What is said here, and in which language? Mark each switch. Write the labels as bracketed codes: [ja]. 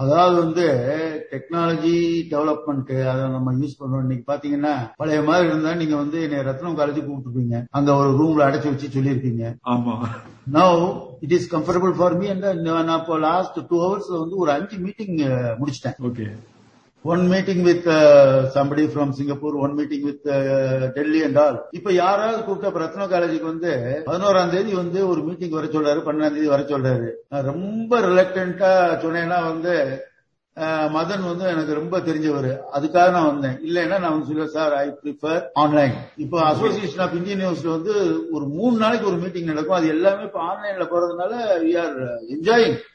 [ta] அதாவது வந்து technology development அதை நம்ம யூஸ் பண்றோம். இன்னைக்கு பழைய மாதிரி இருந்தா நீங்க வந்து என்னை ரத்னம் காலேஜுக்கு கூப்பிட்டுருப்பீங்க, அந்த ஒரு ரூம்ல அடைச்சு வச்சு சொல்லிருப்பீங்க. ஆமா, [en] Now it is comfortable for me. [ta] நான் இப்போ லாஸ்ட் 2 hours வந்து ஒரு 5 மீட்டிங் முடிச்சிட்டேன். Okay. [en] One meeting with somebody from Singapore, one meeting with Delhi and all. [ta] இப்ப யாராவது கூப்பிட்ட ரத்ன காலேஜுக்கு வந்து 11ஆம் தேதி வந்து ஒரு மீட்டிங் வர சொல்றாரு, 12ஆம் தேதி வர சொல்றாரு. ரொம்ப ரிலக்டன்டா சொன்னேன்னா வந்து மதன் வந்து எனக்கு ரொம்ப தெரிஞ்சவர், அதுக்காக நான் வந்தேன். இல்லைன்னா நான் வந்து சொல்லுவேன், [en] Sir I prefer online. [ta] இப்ப அசோசியேஷன் ஆஃப் இந்தியன் நியூஸ்ல வந்து ஒரு 3 நாளைக்கு ஒரு மீட்டிங் நடக்கும், அது எல்லாமே இப்ப ஆன்லைன்ல போறதுனால [en] We are enjoying.